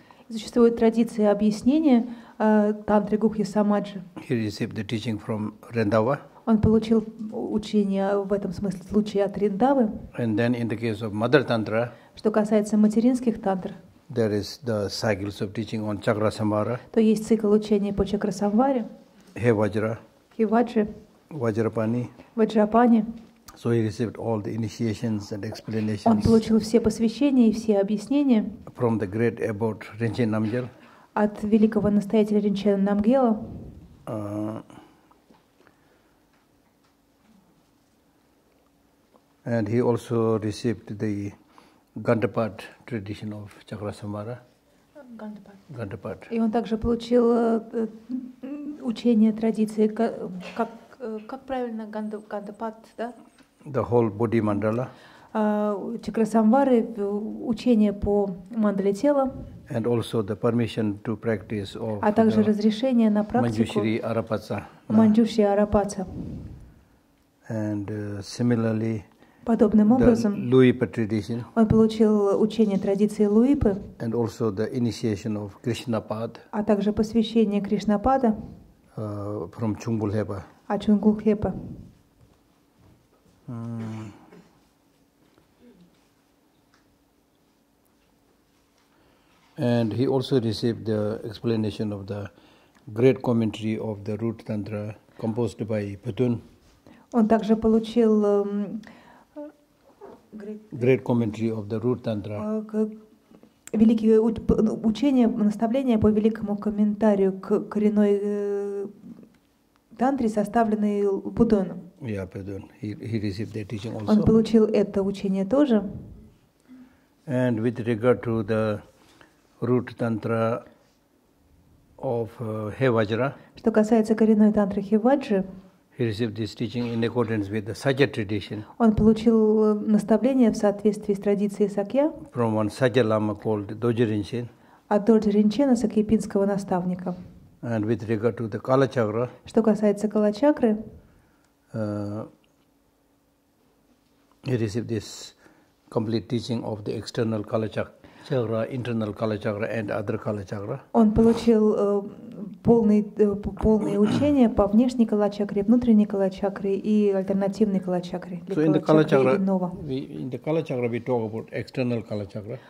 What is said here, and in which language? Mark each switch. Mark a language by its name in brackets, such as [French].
[Russian] Существует традиция объяснения тантры Гухи Самаджи. [English] He received the teaching from Рендава. [Russian] Он получил учение в этом смысле в случае от Рендавы. [English] And then in the case of mother tantra. [Russian] Что касается материнских тантр. [English] There is the cycles of teaching on Chakra Samvara. [Russian] То есть цикл учения по Чакра Самваре. [English] He Vajra. He Vajra. Vajrapani. Vajrapani. So he received all the initiations and explanations. [Russian] Он получил все посвящения и все объяснения. [English] From the great abbot Ренчен Намгьел. [Russian] От великого настоятеля Ренчена Намгьела. [English] And he also received the Gandapat tradition of Chakra Samvara. Gandapat. [Russian] И он также получил учение традиции как правильно Гандапат, да? [English] The whole body mandala. [Russian] Чакра Самвары учение по мандале тела. [English] And also the permission to practice of [Russian] а также разрешение на практику Манджуши Арапаца. [English] And similarly, [Russian] подобным образом, [English] the Луипа tradition. [Russian] Он получил учение традиции Луипы. [English] And also the initiation of Кришнапад. [Russian] А также посвящение Кришнапада. [English] From Чунгпо Лхэпа. [Russian] От Чунгпо Лхэпа. [English] And he also received the explanation of the great commentary of the Root Tantra composed by Patun. [Russian] Он также получил [English] great commentary of the Root Tantra. [Russian] Великие учения, наставления по великому комментарию к коренной тантре, составленной Путоном. [English] Yeah, Patun. He received that teaching also. [Russian] Он получил это учение тоже. [English] And with regard to the root tantra of Hevajra. [Russian] Что касается коренной тантры Хеваджи. [English] He received this teaching in accordance with the Sakya tradition. [Russian] Он получил наставление в соответствии с традицией Сакья. [English] From one Sakya lama called Dorje Rinchen. [Russian] От Дорже Ринчена, сакьяпинского наставника. [English] And with regard to the Kala chakra. [Russian] Что касается Кала чакры. [English] He received this complete teaching of the external Kala chakra, internal Kala chakra, and other Kala chakra. [Russian] Он получил полное учение по внешней Кала чакре, внутренней Кала чакре и альтернативной Кала чакре. [English] So in the Kala chakra, in the Kala chakra, we talk about external Kala chakra.